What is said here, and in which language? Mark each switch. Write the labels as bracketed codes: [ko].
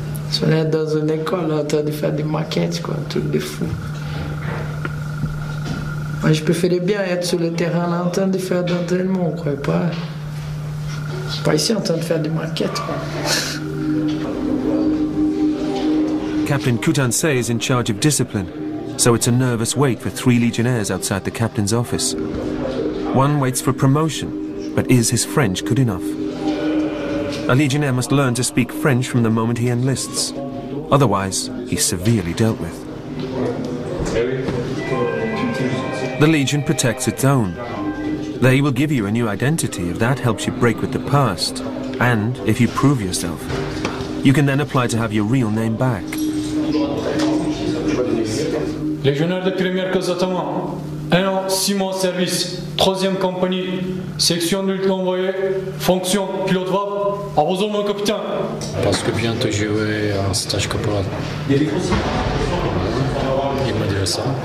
[fr] Si on est dans une école en train de faire des maquettes, quoi, un truc de fou. Moi, je préférais bien être sur le terrain là en train de faire d'entraînement, quoi, et pas. Pas ici en train de faire des maquettes, quoi. [en] Captain Coutancé is in charge of discipline, so it's a nervous wait for three legionnaires outside the captain's office. One waits for promotion, but is his French good enough? A legionnaire must learn to speak French from the moment he enlists. Otherwise, he's severely dealt with. The Legion protects its own. They will give you a new identity if that helps you break with the past, and if you prove yourself. You can then apply to have your real name back. [fr] Légionnaire de première classe Ottoman, 1 an, 6 mois de service, 3e compagnie, section de lutte envoyée, fonction pilote VAP, à vos ordres, mon capitaine. Parce que bientôt je vais en stage corporal. Il m'a dit ça.